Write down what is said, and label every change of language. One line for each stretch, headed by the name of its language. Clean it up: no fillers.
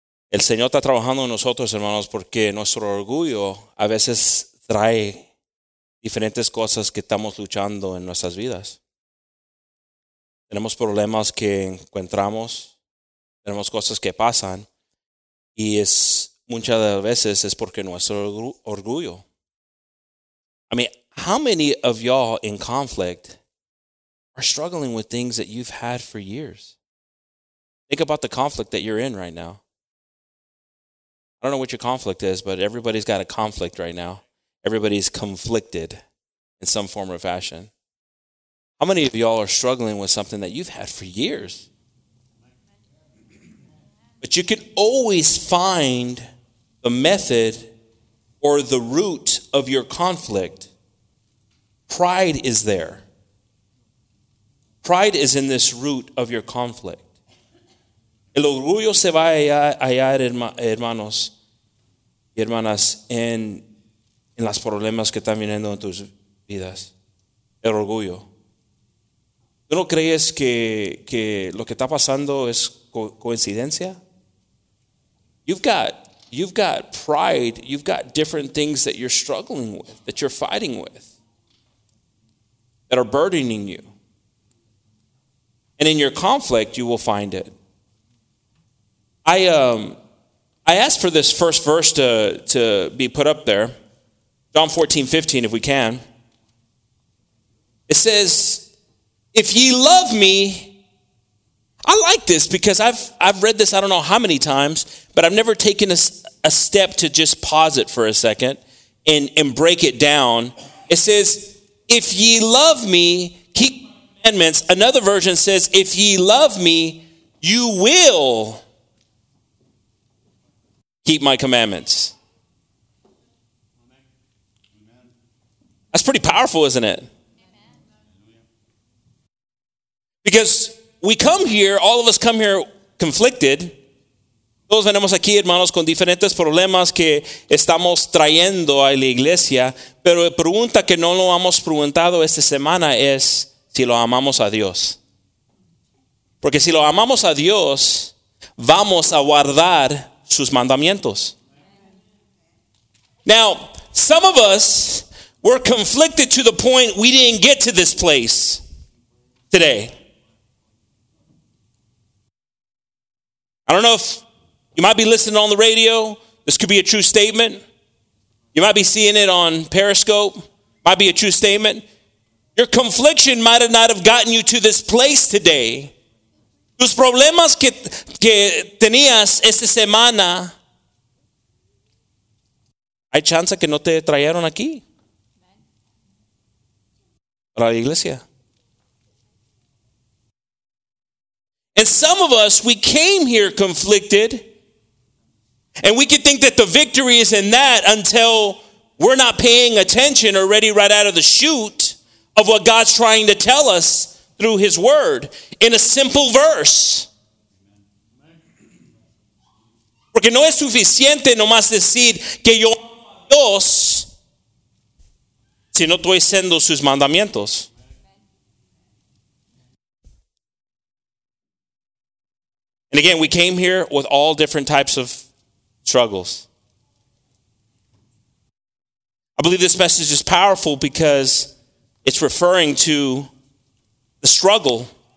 Spanish: El Señor está trabajando en nosotros, hermanos, porque nuestro orgullo a veces trae diferentes cosas que estamos luchando en nuestras vidas. Tenemos problemas que encontramos, tenemos cosas que pasan, y es muchas de las veces es porque nuestro orgullo.
English: I mean, how many of y'all in conflict are struggling with things that you've had for years? Think about the conflict that you're in right now. I don't know what your conflict is, but everybody's got a conflict right now. Everybody's conflicted in some form or fashion. How many of y'all are struggling with something that you've had for years? But you can always find the method or the root of your conflict. Pride is there. Pride is in this root of your conflict.
Spanish: El orgullo se va allá, hermanos. Y hermanas, en los problemas que están viniendo en tus vidas, el orgullo. ¿Tú no crees que lo que está pasando es coincidencia?
English: You've got pride. You've got different things that you're struggling with, that you're fighting with, that are burdening you. And in your conflict, you will find it. I asked for this first verse to be put up there, John 14:15, if we can. It says, if ye love me, I like this because I've read this I don't know how many times, but I've never taken a step to just pause it for a second and break it down. It says, if ye love me, keep my commandments. Another version says, if ye love me, you will keep my commandments. That's pretty powerful, isn't it? Because we come here, all of us come here conflicted.
Spanish: Todos venimos aquí, hermanos, con diferentes problemas que estamos trayendo a la iglesia. Pero la pregunta que no lo hemos preguntado esta semana es si lo amamos a Dios. Porque si lo amamos a Dios, vamos a guardar sus mandamientos.
English: Now, some of us were conflicted to the point we didn't get to this place today. I don't know if you might be listening on the radio. This could be a true statement. You might be seeing it on Periscope. Might be a true statement. Your confliction might have not have gotten you to this place today.
Spanish: Tus problemas que tenías esta semana, hay chance que no te trajeron aquí para la iglesia.
English: And some of us, we came here conflicted, And we could think that the victory is in that until we're not paying attention already right out of the chute of what God's trying to tell us through his word in a simple verse.
Spanish: Porque no es suficiente nomás decir que yo amo a Dios si no estoy siendo sus mandamientos.
English: And again, we came here with all different types of struggles. I believe this message is powerful because it's referring to the struggle.